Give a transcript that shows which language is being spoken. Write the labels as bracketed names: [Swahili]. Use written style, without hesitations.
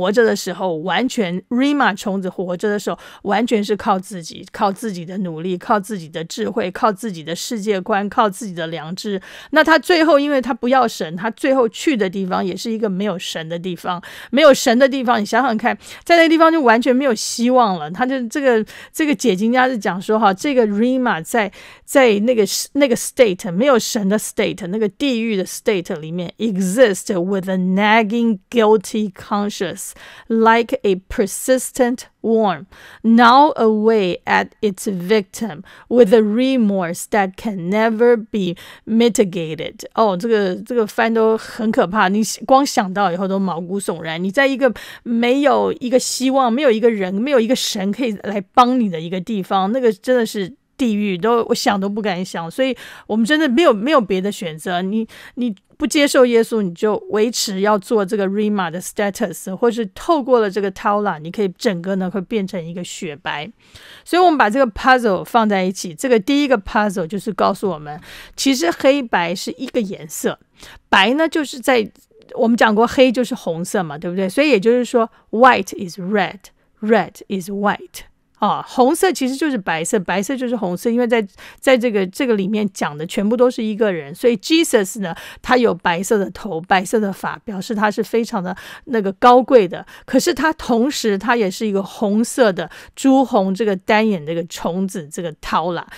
[Chinese] 活着的时候，完全 Rima 虫子活着的时候完全是靠自己，靠自己的努力，靠自己的智慧，靠自己的世界观，靠自己的良知。那他最后因为他不要神，他最后去的地方也是一个没有神的地方，没有神的地方，你想想看，在那个地方就完全没有希望了。他就这个解经家是讲说哈，这个 Rima 在那个 state 没有神的 state 那个地狱的 state 里面 [English] exist with a nagging guilty conscious like a persistent worm gnaw away at its victim with a remorse that can never be mitigated. [Chinese] 哦，这个翻都很可怕，你光想到以后都毛骨悚然。你在一个没有一个希望，没有一个人，没有一个神可以来帮你的一个地方，那个真的是地狱，都我想都不敢想。所以我们真的没有别的选择，你不接受耶稣，你就维持要做这个 Rima 的 status， 或是透过了这个 Taula， 你可以整个呢会变成一个雪白。所以我们把这个 puzzle 放在一起，这个第一个 puzzle 就是告诉我们，其实黑白是一个颜色，白呢就是在我们讲过黑就是红色嘛，对不对？所以也就是说 [English] white is red， red is white。 [Chinese] 哦，红色其实就是白色，白色就是红色，因为在这个里面讲的全部都是一个人，所以 Jesus 呢他有白色的头，白色的发，表示他是非常的那个高贵的，可是他同时他也是一个红色的朱红这个单眼这个虫子这个涛啦。